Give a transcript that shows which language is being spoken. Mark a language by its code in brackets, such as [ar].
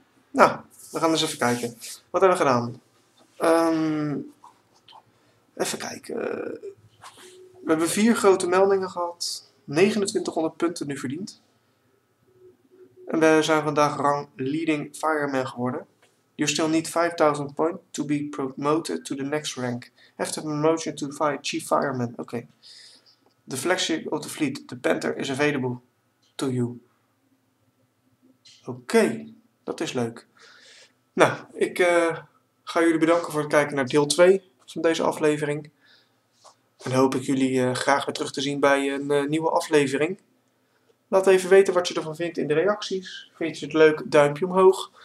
[nl] Nou, we gaan eens even kijken. Wat hebben we gedaan? Even kijken. We hebben 4 grote meldingen gehad. 2900 punten nu verdiend. En we zijn vandaag rang leading fireman geworden. [en] You still need 5000 points to be promoted to the next rank. Have the promotion to fire chief fireman. Oké. The flagship of the fleet, the Panther, is available to you. [nl] Oké. Dat is leuk. Nou, ik ga jullie bedanken voor het kijken naar deel 2 van deze aflevering. En hoop ik jullie graag weer terug te zien bij een nieuwe aflevering. Laat even weten wat je ervan vindt in de reacties. Vind je het leuk? Duimpje omhoog.